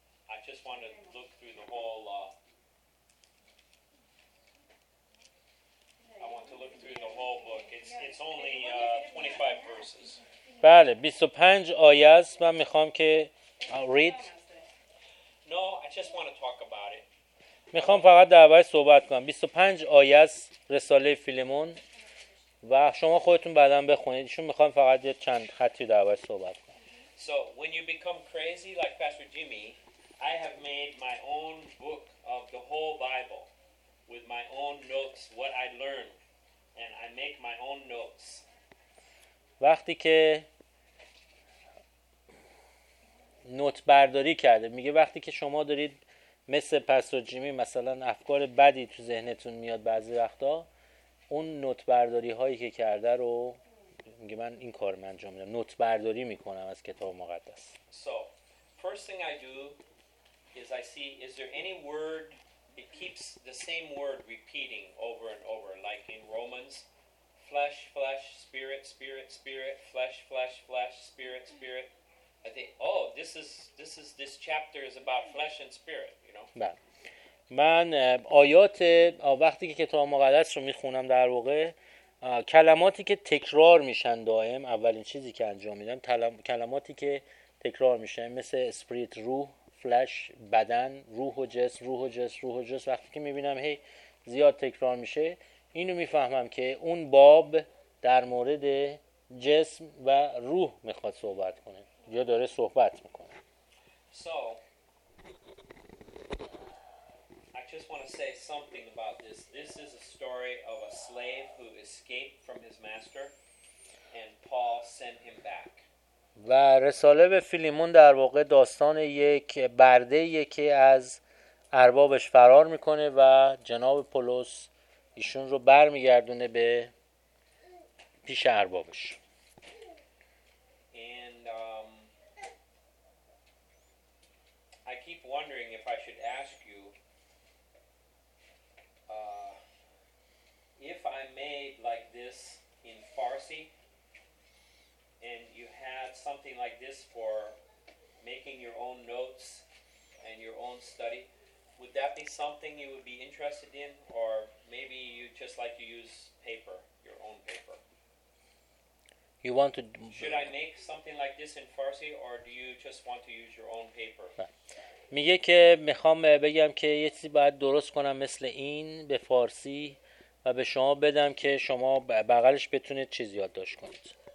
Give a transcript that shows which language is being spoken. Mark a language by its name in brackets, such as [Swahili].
[English] I just want to look through the whole book. It's only 25 verses. [Persian] بله 25 آیه است. من میخوام که [English] read. No, I just want to talk about it. [Persian] میخوام فقط درباره صحبت کنم. 25 آیه است رساله فیلمون و شما خودتون بعداً بخونید. ایشون میخوام فقط یه چند خطی درباره صحبت کنم. [English] So when you become crazy like Pastor Jimmy, I have made my own book of the whole Bible with my own notes, what I learned, and I make my own notes. [Persian] وقتی که نوت برداری کرده، میگه وقتی که شما دارید مثل پستور جیمی مثلا افکار بدی تو ذهنتون میاد بعضی وقتا، اون نوت برداری هایی که کرده رو میگه من این کار من انجام میدم، نوت برداری میکنم از کتاب مقدس. [English] So first thing I do is I see is there any word that keeps the same word repeating over and over like in Romans, flesh flesh spirit spirit spirit flesh flesh flesh spirit spirit. I think, oh, this chapter is about flesh and spirit, you know. [Persian] من آیات وقتی که کتاب مقدس رو میخونم، در واقع کلماتی که تکرار میشن دائم، اولین چیزی که انجام میدم کلماتی که تکرار میشن مثل اسپریت روح، فلش بدن، روح و جسم، روح و جسم، روح و جسم، وقتی که میبینم هی زیاد تکرار میشه، اینو میفهمم که اون باب در مورد جسم و روح میخواد صحبت کنه یا داره صحبت میکنه. [English] So I just want to say something about this. This is a story of a slave who escaped from his master and Paul sent him back. [Persian] و رساله به فیلیمون در واقع داستان یک برده‌ایه که از اربابش فرار میکنه و جناب پولس ایشون رو برمیگردونه به پیش اربابش. [English] And I keep wondering if I should ask you if I made like this in Farsi and you had something like this for making your own notes and your own study, would that be something you would be interested in, or maybe you just like to use paper, your own paper? You want to should I make something like this in Farsi or do you just want to use your own paper? [Persian] میگه که میخوام بگم که یه چیزی باید درست کنم مثل این به فارسی و به شما بدم که شما بغلش بتونید چیز یادداشت کنید.